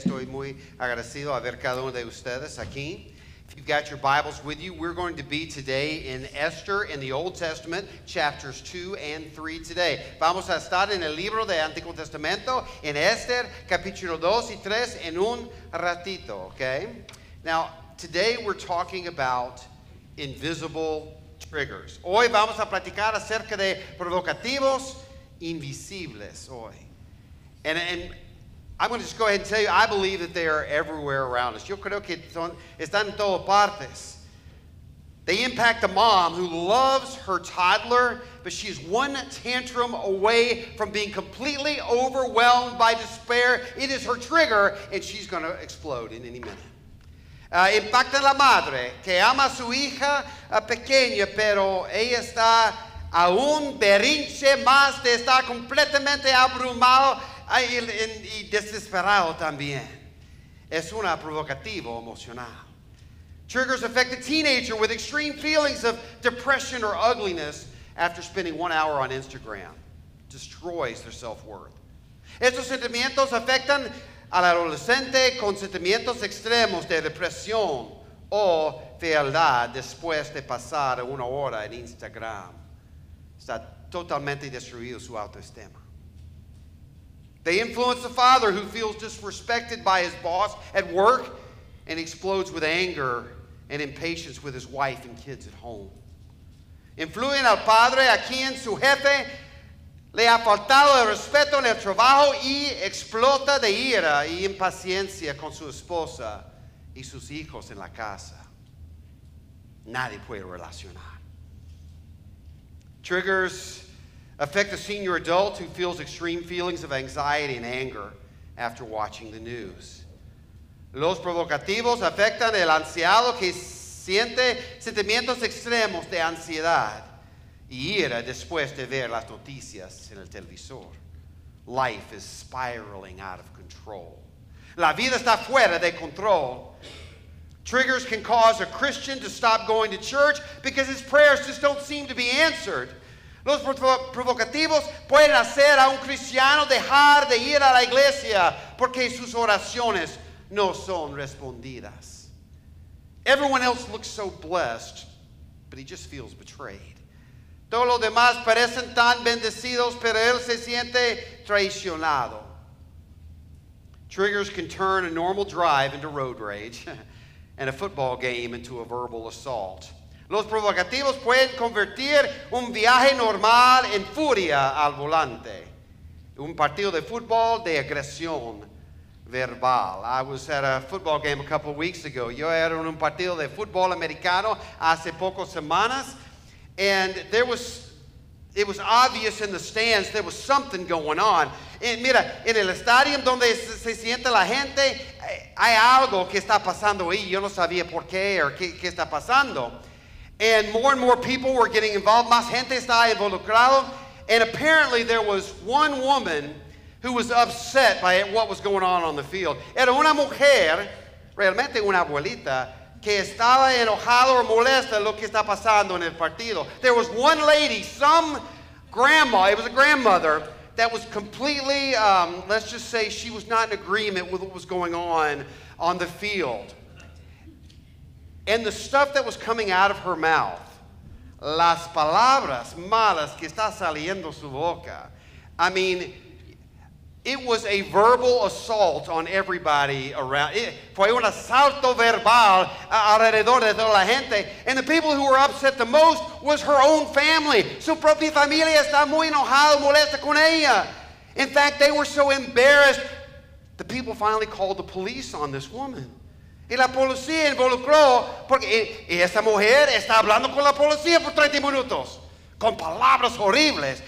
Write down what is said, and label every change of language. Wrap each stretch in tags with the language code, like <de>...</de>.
<es>Estoy muy agradecido a ver cada uno de ustedes aquí.</es> <en>If you've got your Bibles with you, we're going to be today in Esther in the Old Testament, chapters 2 and 3 today.</en> <es>Vamos a estar en el libro de Antiguo Testamento, en Esther, capítulo 2 y 3, en un ratito, okay?</es> <en>Now, today we're talking about invisible triggers.</en> <es>Hoy vamos a platicar acerca de provocativos invisibles hoy.</es> <en>And I'm going to just go ahead and tell you, I believe that they are everywhere around us.</en> <es>Yo creo que están en todas partes.</es> <en>They impact a mom who loves her toddler, but she's one tantrum away from being completely overwhelmed by despair. It is her trigger, and she's going to explode in any minute.</en> <es>Impacta a la madre que ama a su hija pequeña, pero ella está a un berrinche más de estar completamente abrumado y desesperado también. Es una provocativo emocional.</es> <en>Triggers affect a teenager with extreme feelings of depression or ugliness after spending 1 hour on Instagram. Destroys their self-worth.</en> <es>Estos sentimientos afectan al adolescente con sentimientos extremos de depresión o fealdad después de pasar 1 hora en Instagram. Está totalmente destruido su autoestima.</es> <en>They influence a father who feels disrespected by his boss at work and explodes with anger and impatience with his wife and kids at home.</en> <es>Influyen al padre a quien su jefe le ha faltado el respeto en el trabajo y explota de ira y impaciencia con su esposa y sus hijos en la casa. Nadie puede relacionar.</es> <en>Triggers affect a senior adult who feels extreme feelings of anxiety and anger after watching the news.</en> <es>Los provocativos afectan el anciano que siente sentimientos extremos de ansiedad y ira después de ver las noticias en el televisor.</es> <en>Life is spiraling out of control.</en> <es>La vida está fuera de control.</es> <en>Triggers can cause a Christian to stop going to church because his prayers just don't seem to be answered.</en> <es>Los provocativos pueden hacer a un cristiano dejar de ir a la iglesia porque sus oraciones no son respondidas.</es> <en>Everyone else looks so blessed, but he just feels betrayed.</en> <es>Todos los demás parecen tan bendecidos, pero él se siente traicionado.</es> <en>Triggers can turn a normal drive into road rage and a football game into a verbal assault.</en> <es>Los provocativos pueden convertir un viaje normal en furia al volante. Un partido de fútbol de agresión verbal.</es> <en>I was at a football game a couple of weeks ago.</en> <es>Yo era en un partido de fútbol americano hace pocas semanas.</es> <en>And it was obvious in the stands there was something going on.</en> <es>And mira, en el estadio donde se siente la gente, hay algo que está pasando ahí. Yo no sabía por qué o qué está pasando.</es> <en>And more people were getting involved.</en> <es>Más gente está involucrado.</es> <en>And apparently there was one woman who was upset by what was going on the field.</en> <es>Era una mujer, realmente una abuelita, que estaba enojada or molesta lo que está pasando en el partido.</es> <en>There was one lady, some grandma, it was a grandmother, that was completely, let's just say she was not in agreement with what was going on the field. And the stuff that was coming out of her mouth,</en> <es>las palabras malas que está saliendo su boca,</es> <en>I mean, it was a verbal assault on everybody around.</en> <es>Fue un asalto verbal alrededor de toda la gente.</es> <en>And the people who were upset the most was her own family.</en> <es>Su propia familia está muy enojada, molesta con ella.</es> <en>In fact, they were so embarrassed, the people finally called the police on this woman.</en> <es>Y la policía involucró, porque esa mujer está hablando con la policía por 30 minutos, con palabras horribles.</es>